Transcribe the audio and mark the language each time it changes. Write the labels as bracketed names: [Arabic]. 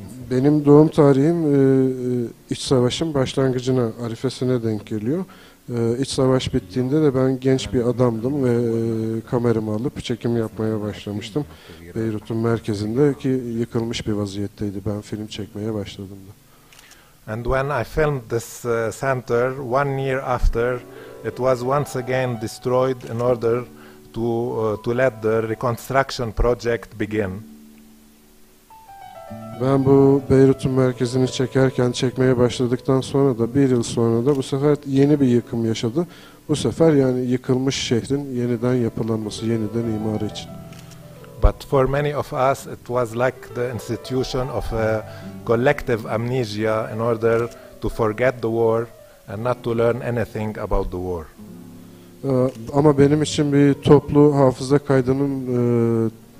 [Turkish] Benim doğum tarihim iç savaşın başlangıcına, arifesine denk geliyor. İç savaş bittiğinde de ben genç bir adamdım ve kameramı alıp çekim yapmaya başlamıştım. Beyrut'un merkezinde, ki yıkılmış bir vaziyetteydi. Ben film çekmeye başladım da. [English] And when I filmed this center, one year after, it was once again destroyed in order to let the reconstruction project begin. [Turkish] Ben bu Beyrut'un merkezini çekerken, çekmeye başladıktan sonra da, bir yıl sonra da bu sefer yeni bir yıkım yaşadı. Bu sefer yani yıkılmış şehrin yeniden yapılanması, yeniden imar için. [English] But for many of us it was like the institution of a collective amnesia in order to forget the war and not to learn anything about the war. [Turkish] Ama benim için bir toplu hafıza kaydının